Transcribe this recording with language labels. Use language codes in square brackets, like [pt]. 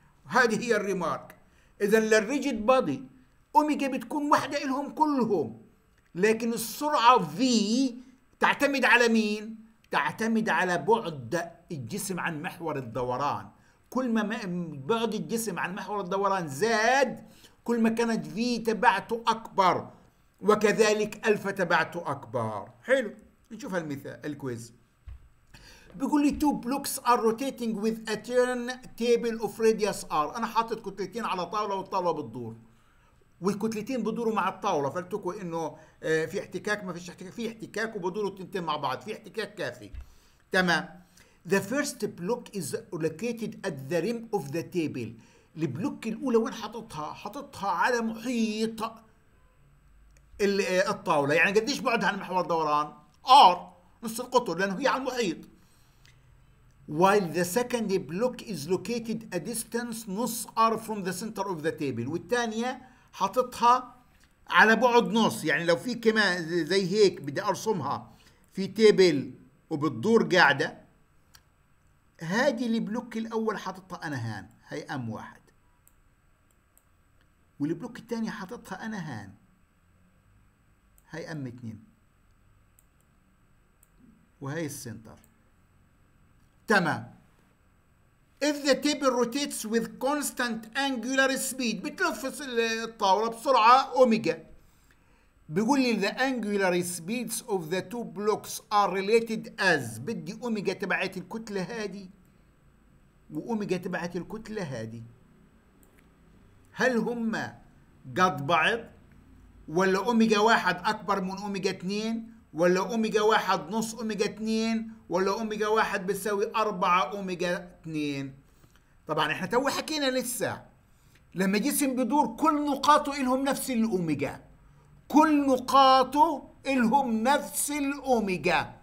[ar] هذه هي الريمارك. إذا للريجيد بادي أوميجا بتكون واحدة إلهم كلهم، لكن السرعة في تعتمد على مين؟ تعتمد على بعد الجسم عن محور الدوران. كل ما بعد الجسم عن محور الدوران زاد كل ما كانت في تبعته أكبر، وكذلك ألفا تبعته أكبر. حلو، نشوف المثال الكويز. بيقول لي [en] two blocks are rotating with a turn table of radius r. [ar] أنا حاطط كتلتين على طاولة والطاولة بتدور، والكتلتين بدوروا مع الطاولة، فلتكوا انه في احتكاك ما فيش احتكاك، في احتكاك وبدوروا التنتين مع بعض، في احتكاك كافي. تمام. [en] The first block is located at the rim of the table. [ar] البلوك الاولى وين حطتها؟ حطتها على محيط الطاولة، يعني قديش بعدها عن محور الدوران؟ R نص القطر، لانه هي على المحيط. [en] While the second block is located a distance [ar] نص [en] R from the center of the table. [ar] والثانية حطتها على بعد نص، يعني لو في كمان زي هيك بدي ارسمها في تيبل وبتدور قاعده، هذه البلوك الاول حطتها انا هان، هي ام واحد، والبلوك الثاني حطتها انا هان، هي ام اثنين، وهي السنتر. تمام. [en] If the table rotates with constant angular speed، [ar] بتلف الطاولة بسرعة أوميجا. بيقول لي [en] the angular speeds of the two blocks are related as، [ar] بدي أوميجا تبعت الكتلة هذه وأوميجا تبعت الكتلة هذه، هل هما قد بعض ولا أوميجا واحد أكبر من أوميجا اثنين، ولا أوميجا واحد نص أوميجا اثنين، ولا أوميجا واحد بيساوي 4 أوميجا 2؟ طبعا احنا تو حكينا لسه لما جسم بدور كل نقاطه إلهم نفس الأوميجا، كل نقاطه إلهم نفس الأوميجا.